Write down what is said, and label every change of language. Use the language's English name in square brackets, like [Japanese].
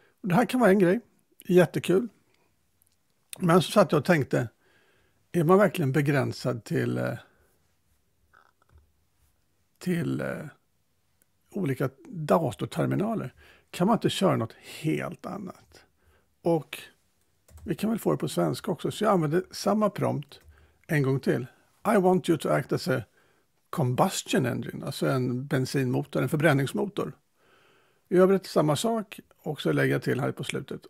[Swedish] Och det här kan vara en grej, jättekul. Men så satt jag och tänkte, är man verkligen begränsad till olika datorterminaler? Kan man inte köra något helt annat? Och vi kan väl få det på svenska också. Så jag använder samma prompt en gång till. [English] I want you to act as a combustion engine. [Swedish] Alltså en bensinmotor, en förberedningsmotor. I övrigt samma sak. Och så lägger jag till här på slutet.